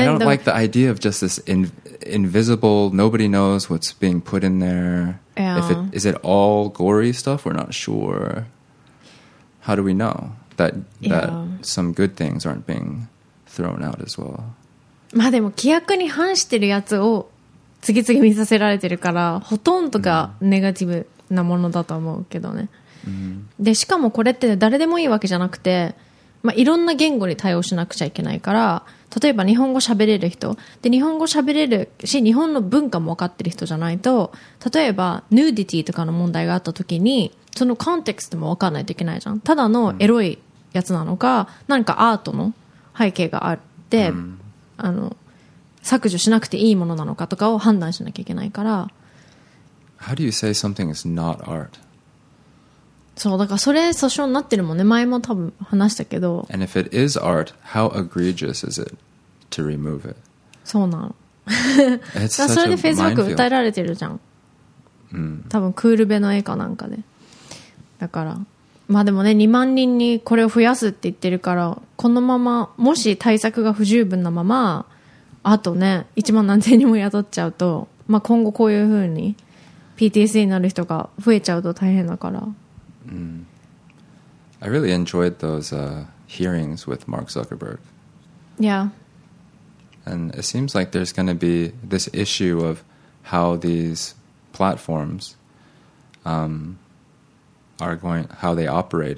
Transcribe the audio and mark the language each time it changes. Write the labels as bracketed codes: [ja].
[en] I don't like the idea of just this invisible, nobody knows what's being put in there. Yeah. Is it all gory stuff? We're not sure. How do we know that some good things aren't being thrown out as well? [ja] まあでも規約に反してるやつを次々見させられてるから、ほとんどがネガティブなものだと思うけどね。で、しかもこれって誰でもいいわけじゃなくて、まあ、いろんな言語に対応しなくちゃいけないから、例えば日本語喋れる人、で、日本語喋れるし、日本の文化も分かってる人じゃないと、例えば、ヌーディティとかの問題があった時に、そのコンテクストも分かんないといけないじゃん。ただのエロいやつなのか、なんかアートの背景があって、削除しなくていいものなのかとかを判断しなきゃいけないから。 [en] How do you say something is not art? [ja] そうだから、それ訴訟になってるもんね、前も多分話したけど。 [en] And if it is art, how egregious is it to remove it? [ja] そうなの。 [en] It's such a [ja] それで Facebook 訴えられてるじゃん、多分クールベの絵かなんかで。だからまあでもね、2万人にこれを増やすって言ってるから、このままもし対策が不十分なままあとね、1万何千人も雇っちゃうと、まあ、今後こういう風に PTSD になる人が増えちゃうと大変だから。 [en] I really enjoyed those hearings with Mark Zuckerberg. Yeah. And it seems like there's going to be this issue of how these platforms are going, how they operate.